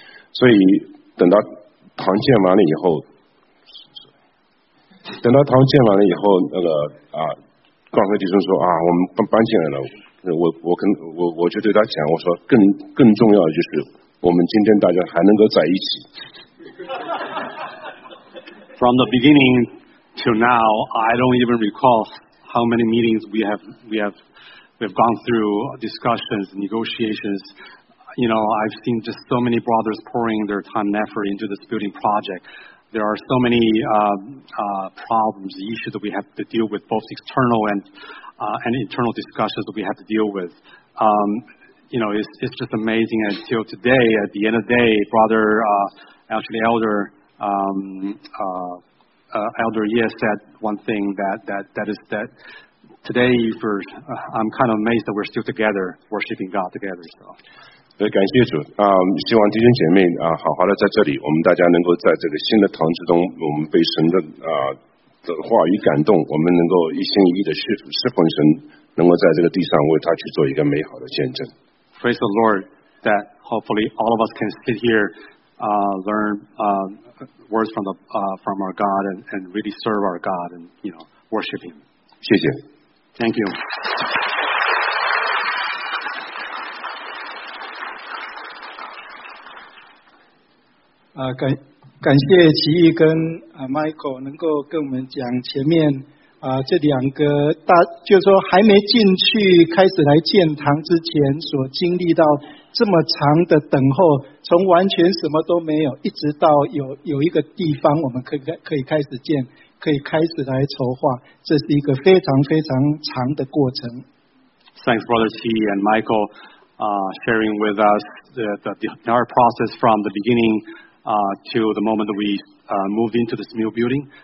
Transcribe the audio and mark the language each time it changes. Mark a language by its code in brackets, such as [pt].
[zh] 所以等到堂建完了以后，等到他们建完了以后，那个啊，告诉弟兄说啊，我们搬进来了。我就对他讲，我说更重要的就是我们今天大家还能够在一起。 [en] From the beginning till now, I don't even recall how many meetings we have gone through, discussions, negotiations. You know, I've seen just so many brothers pouring their time and effort into this building project. There are so many problems, issues that we have to deal with, both external and internal discussions that we have to deal with. You know, it's just amazing. Until today, at the end of the day, Brother, Elder Ye said one thing that is that today, I'm kind of amazed that we're still together, worshiping God together. So. [zh] 感谢主，希望弟兄姐妹好好的在这里，我们大家能够在这个新的堂之中，我们被神的话语感动，我们能够一心一意的侍奉神，能够在这个地上为他去做一个美好的见证。 [en] Praise the Lord that hopefully all of us can sit here, learn words from from our God and really serve our God and you know worship Him. [zh] 谢谢。 [en] Thank you. [zh] 感谢奇毅跟Michael 能够跟我们讲前面这两个大，就是说还没进去开始来建堂之前所经历到这么长的等候，从完全什么都没有，一直到有一个地方我们可以开始建，可以开始来筹划，这是一个非常非常长的过程。 [en] Thanks, Brother Qi and Michael, sharing with us the entire process from the beginning. To the moment that we moved into this new building.